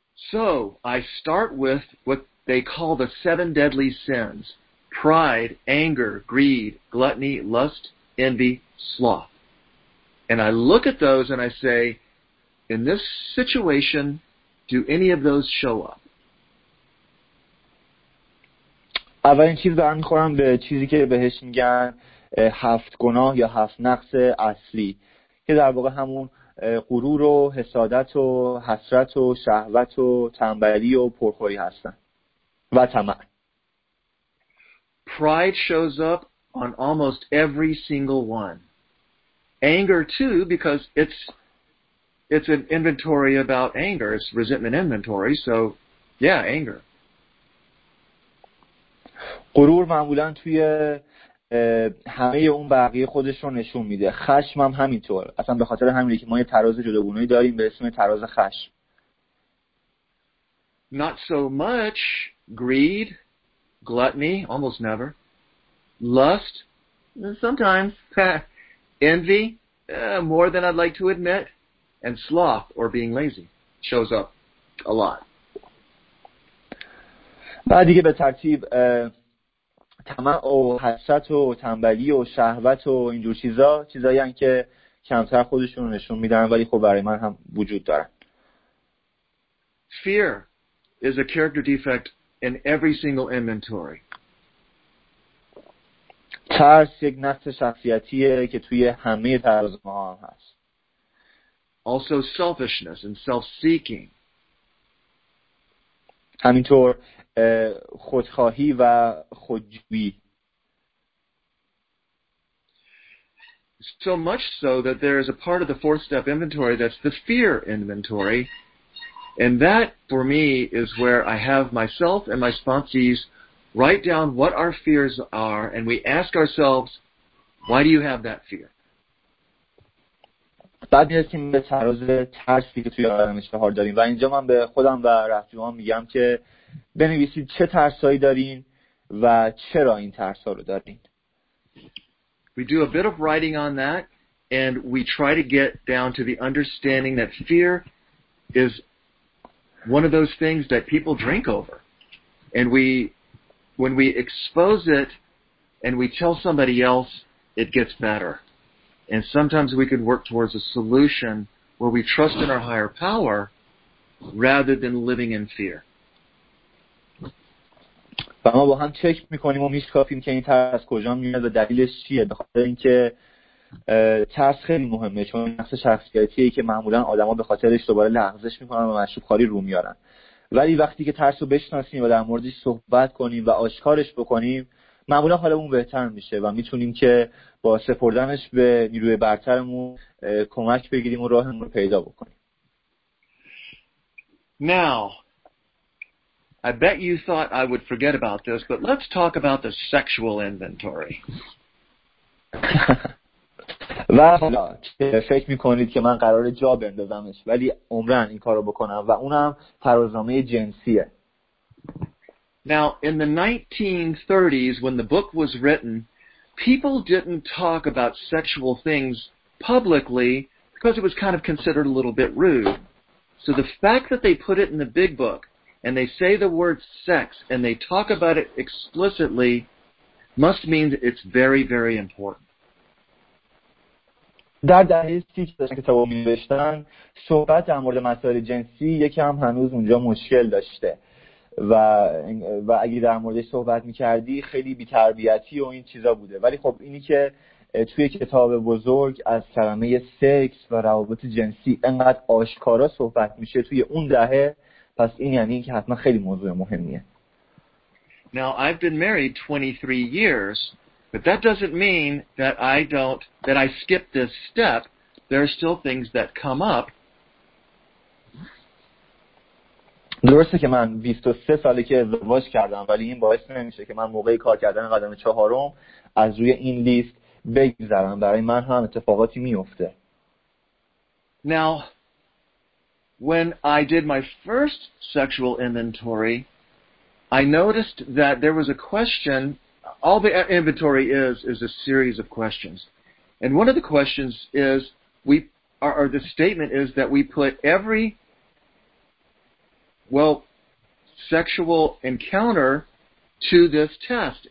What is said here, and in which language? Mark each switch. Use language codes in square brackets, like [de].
[en] So, I start with what they call the seven deadly sins: pride, anger, greed, gluttony, lust, envy, sloth. And I look at those and I say, in this situation, do any of those show up? [fa] اولین چیز برمیخورم به چیزی که بهش میگن هفت گناه یا هفت نقص اصلی، که در واقع همون غرور و حسادت و حسرت و شهوت و تنبلی و پرخوری هستن و طمع. [en] Pride shows up on almost every single one. Anger too, because it's an inventory about anger. It's resentment inventory, so yeah, anger. [fa] غرور معمولا توی همه اون بقیه خودش رو نشون میده. خشم هم همینطور. اصلا به خاطر همینه که ما یه تراز جداگونه‌ای داریم به اسم تراز خشم. [en] Not so much greed, gluttony, almost never. Lust, sometimes. Envy, more than I'd like to admit. And sloth, or being lazy, shows up a lot. [fa] بعد دیگه به ترتیب طمع و حسرت و تنبلی و شهوت و اینجور چیزا، چیزایی هم که کمتر خودشون رو نشون میدن ولی خب برای من هم وجود دارن. [en] Fear is a character defect in every single inventory. [fa] ترس یک نقص شخصیتیه که توی همه ترازوها هم هست. [en] Also selfishness and self-seeking. [fa] همینطور خودخواهی و خودجویی. [en] So much so that there is a part of the fourth step inventory that's the fear inventory, and that for me is where I have myself and my sponsees write down what our fears are, and we ask ourselves, why do you have that fear? [fa] بعد میرسیم به تراز ترسی که توی آدم چهار داریم و اینجا من به خودم و رفیقام میگم که بنویسید چه ترسایی دارین و چرا این ترسا رو دارین. [en] We do a bit of writing on that and we try to get down to the understanding that fear is one of those things that people drink over. And when we expose it and we tell somebody else, it gets better. And sometimes we can work towards a solution where we trust in our higher power rather than living in fear. [fa] و ما با هم چک میکنیم و میشکافیم که این ترس از کجا میاد و دلیلش چیه. به خاطر اینکه ترس خیلی مهمه، چون نقص شخصیتیه که معمولا آدم ها به خاطرش دوباره لغزش میکنن و مشروب خاری رو میارن. ولی وقتی که ترس رو بشناسیم و در موردش صحبت کنیم و آشکارش بکنیم، معمولا حالمون بهتر میشه و میتونیم که با سپردنش به نیروی برترمون کمک بگیریم و راهمون رو پیدا بکنیم. [en] Now, I bet you thought I would forget about this, but let's talk about the sexual inventory. [fa] و حالا فکر میکنید که من قرار جا بندازمش، ولی عمرن این کار رو بکنم و اونم ترازنامه جنسیه. [en] Now, in the 1930s, when the book was written, people didn't talk about sexual things publicly because it was kind of considered a little bit rude. So the fact that they put it in the big book and they say the word sex and they talk about it explicitly must mean it's very, very important. [fa] در دهه 30 که کتابو می‌نوشتن صحبت در مورد مسائل جنسی یکم هنوز اونجا مشکل داشته و اگه در موردش صحبت می‌کردی خیلی بی‌تربیتی و این چیزا بوده، ولی خب اینی که توی کتاب بزرگ از کلمه سکس و روابط جنسی انقدر آشکارا صحبت میشه توی اون دهه، پس این یعنی که حتما خیلی موضوع مهمیه. [en] Now I've been married 23 years, but that doesn't mean that I skip this step. There are still things that come up. [fa] درسته که من 23 ساله که ازدواج کردم، ولی این باعث نمیشه که من موقع کار کردن قدم چهارم از روی این لیست بگذرم. برای من هم اتفاقاتی میفته. [en] Now, when I did my first sexual inventory, I noticed that there was a question. All the inventory is a series of questions. And one of the questions is, the statement is that we put every, well, sexual encounter to this test.